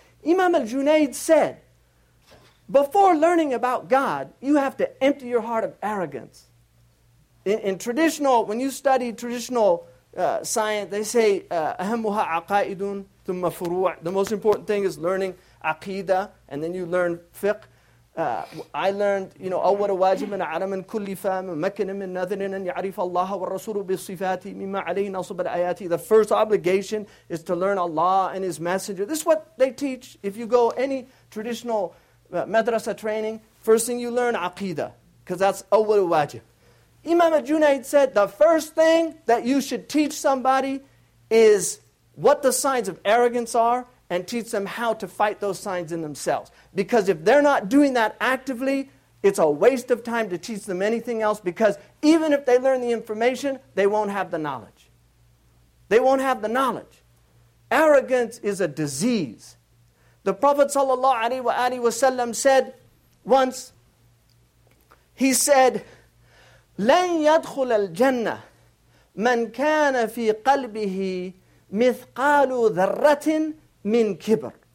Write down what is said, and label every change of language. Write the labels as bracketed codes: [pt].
[en] Imam al-Junayd said, before learning about God, you have to empty your heart of arrogance. In traditional, when you study traditional science, they say, [ar] أَهَمُّهَا عَقَائِدٌ ثُمَّ فُرُوعٌ. [en] The most important thing is learning aqidah, and then you learn fiqh. I learned, you know, [ar] أَوَّلَ وَاجِبٍ عَلَمٍ كُلِّفَ مَكَّنٍ مِنْ نَذِرٍ أَنْ يَعْرِفَ اللَّهَ وَالرَّسُولُ بِصِفَاتِ مِمَّا عَلَيْهِ نَصُبَ الْآيَاتِ. [en] The first obligation is to learn Allah and His Messenger. This is what they teach. If you go any traditional madrasa training, first thing you learn, aqidah, because that's awwal wajib. Imam al-Junayd said, the first thing that you should teach somebody is what the signs of arrogance are, and teach them how to fight those signs in themselves. Because if they're not doing that actively, it's a waste of time to teach them anything else, because even if they learn the information, they won't have the knowledge. They won't have the knowledge. Arrogance is a disease. The Prophet ﷺ said once, he said, [ar] لَنْ يَدْخُلَ الْجَنَّةِ مَنْ كَانَ فِي قَلْبِهِ مِثْقَالُ ذَرَّةٍ مِنْ كِبْرٍ.